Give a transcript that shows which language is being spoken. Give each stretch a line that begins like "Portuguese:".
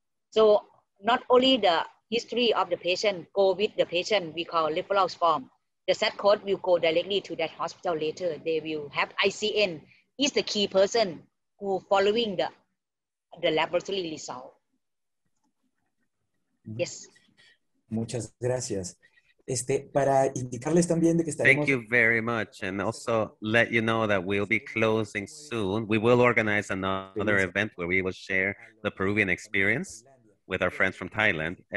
English: So not only the history of the patient, go with the patient, we call referral form. The set code will go directly to that hospital later. They will have ICN, is the key person who following the laboratory result. Yes.
Spanish: Muchas gracias. Para indicarles también de que estaremos...
English: Thank you very much. And also let you know that we'll be closing soon. We will organize another event where we will share the Peruvian experience with our friends from Thailand.